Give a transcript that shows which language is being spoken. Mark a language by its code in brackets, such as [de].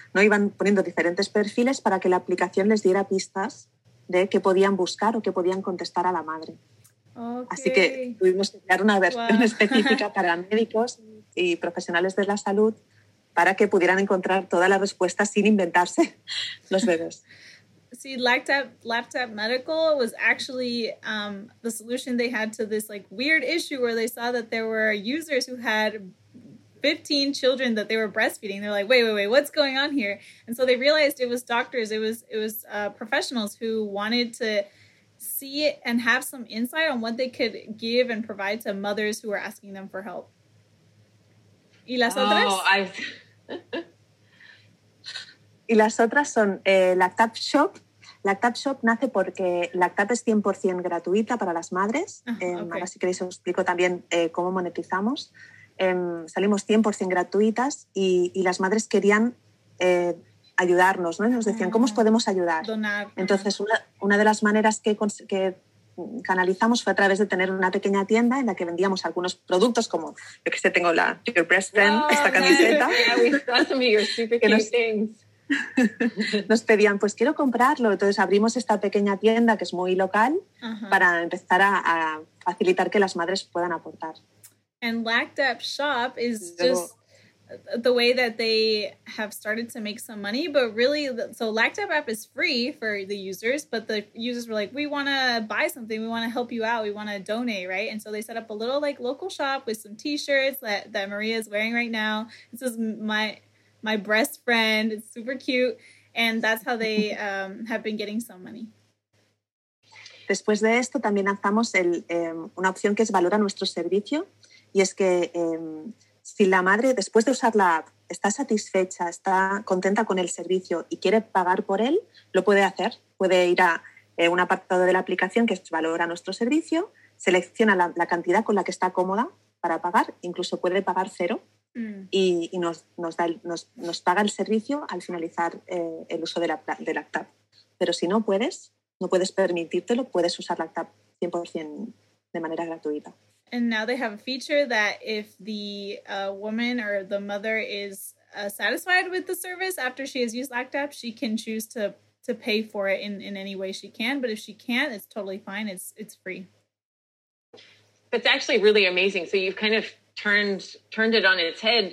[es] No iban poniendo diferentes perfiles para que la aplicación les diera pistas de qué podían buscar o qué podían contestar a la madre. Okay. Así que tuvimos que crear una versión específica para médicos y profesionales de la salud para que pudieran encontrar todas las respuestas sin inventarse los bebés. [en] See, LactApp Medical was actually the solution they had to this like weird issue where they saw that there were users who had 15 children that they were breastfeeding. They're like, wait, what's going on here? And so they realized it was doctors, it was professionals who wanted to see it and have some insight on what they could give and provide to mothers who were asking them for help. [es] ¿Y las otras? Y las otras son LactApp Shop. LactApp Shop nace porque LactApp es 100% gratuita para las madres. Okay. Ahora, si queréis, os explico también cómo monetizamos. Salimos 100% gratuitas y las madres querían ayudarnos, ¿no? Y nos decían, ¿cómo os podemos ayudar? Donar. Entonces, una de las maneras que canalizamos fue a través de tener una pequeña tienda en la que vendíamos algunos productos como, yo que sé, tengo la Your Breast Friend, esta camiseta. [en] Yeah, we saw some of your super cute things. [es] Nos pedían, pues quiero comprarlo. Entonces abrimos esta pequeña tienda que es muy local para empezar a facilitar que las madres puedan aportar. [en] And LactApp Shop is just the way that they have started to make some money. But really, so LactApp app is free for the users, but the users were like, we want to buy something. We want to help you out. We want to donate, right? And so they set up a little like local shop with some t-shirts that Maria is wearing right now. This is my breast friend, it's super cute, and that's how they have been getting some money. [es] Después de esto, también lanzamos una opción que es valora nuestro servicio, y es que si la madre, después de usar la app, está satisfecha, está contenta con el servicio y quiere pagar por él, lo puede hacer. Puede ir a un apartado de la aplicación que es valora nuestro servicio, selecciona la cantidad con la que está cómoda para pagar, incluso puede pagar cero. Y nos paga el servicio al finalizar el uso de LactApp. Pero si no puedes permitírtelo, puedes usar LactApp 100% de manera gratuita. [en] And now they have a feature that if the woman or the mother is satisfied with the service after she has used LactApp, she can choose to pay for it in any way she can. But if she can't, it's totally fine. It's free. It's actually really amazing. So you've kind of turned it on its head.